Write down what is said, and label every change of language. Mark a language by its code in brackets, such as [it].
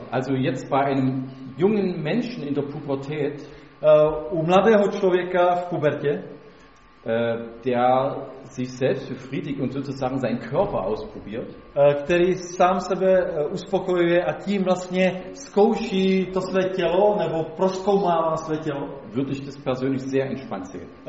[de] Also jetzt bei einem jungen Menschen in der Pubertät, [cs] u mladého člověka v pubertě, [de] der sich selbst befriedigt und sozusagen seinen Körper ausprobiert, [cs] který sám sebe uspokojuje a tím vlastně zkouší to své tělo nebo prozkoumává své tělo, [de] würde ich das persönlich sehr entspannt sehen.